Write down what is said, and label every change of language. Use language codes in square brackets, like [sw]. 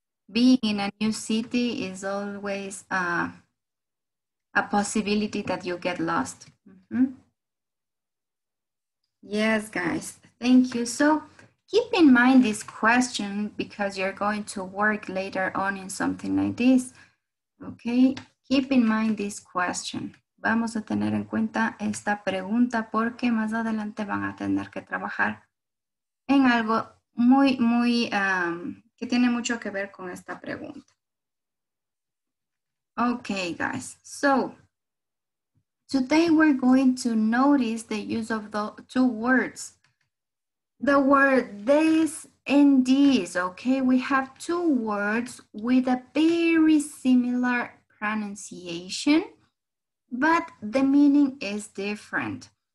[en] Being in a new city is always a possibility that you get lost. Mm-hmm. Yes, guys, thank you. So keep in mind this question because you're going to work later on in something like this. Okay, keep in mind this question. [es] Vamos a tener en cuenta esta pregunta porque más adelante van a tener que trabajar en algo muy, muy, que tiene mucho que ver con esta pregunta. [en] Okay, guys. So, today we're going to notice the use of the two words. The word this and these, okay? We have two words with a very similar pronunciation, but the meaning is different.